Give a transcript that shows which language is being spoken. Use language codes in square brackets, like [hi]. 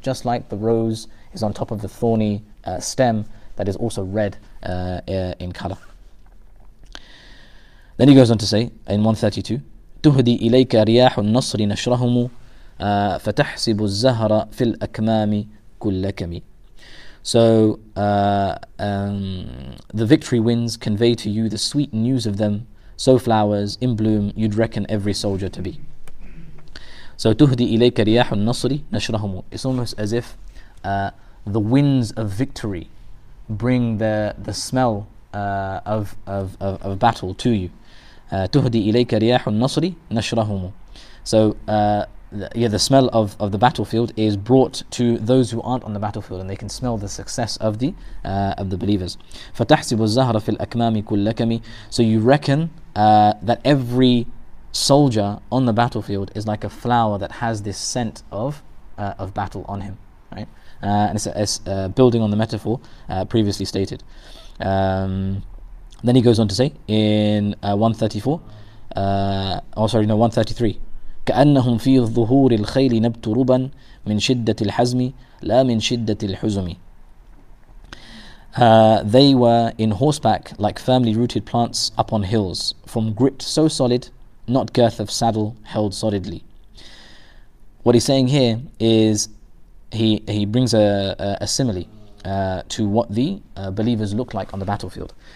[en] Just like the rose is on top of the thorny stem that is also red in color. Then he goes on to say in 132, [ar] تهدي إليك رياح النصر نشرهم فتحسب الزهر في الأكمام كل كمي. [en] So the victory winds convey to you the sweet news of them, so flowers in bloom you'd reckon every soldier to be. [ar] So تهدي إليك رياح النصر نشرهم. [en] It's almost as if the winds of victory bring the smell of battle to you. [ar] تهدي إليك رياح النصر نشرهم. [en] So the smell of the battlefield is brought to those who aren't on the battlefield, and they can smell the success of the believers. [ar] فتحسب الزهر في الأكمام كل كمي. [en] So you reckon that every soldier on the battlefield is like a flower that has this scent of battle on him, right? And it's building on the metaphor previously stated. Then he goes on to say in 133. [ar] كأنهم في ظهور الخيل نبت ربا من شدة الحزم لا من شدة الحزم. [en] They were in horseback like firmly rooted plants upon hills, from grit so solid, not girth of saddle held solidly. What he's saying here is he brings a simile to what the believers look like on the battlefield.